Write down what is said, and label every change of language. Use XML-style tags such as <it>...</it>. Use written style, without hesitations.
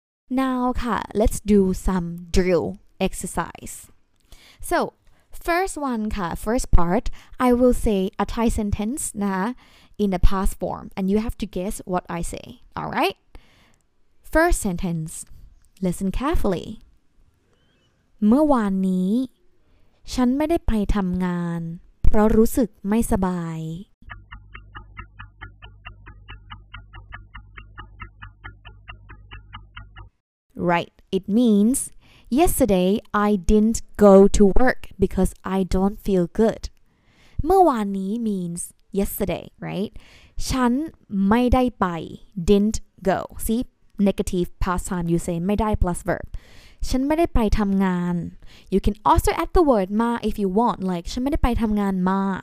<en>Now, okay, let's do some drill exercise. So first one, okay, first part, I will say a Thai sentence now in the past form, and you have to guess what I say, all right? First sentence. Listen carefully.</en> <th>เมื่อวานนี้ฉันไม่ได้ไปทำงานเพราะรู้สึกไม่สบาย</th> <en>Right. It means yesterday I didn't go to work because I don't feel good. เมื่อวานนี้ means yesterday, right?</en> <th>ฉันไม่ได้ไป</th> <en>didn't go. See? Negative past time, you say ไม่ได้ plus verb.</en> <th>ฉันไม่ได้ไปทำงาน.</th> <en>You can also add the word มา if you want, like</en> <th>ฉันไม่ได้ไปทำงานมา.</th>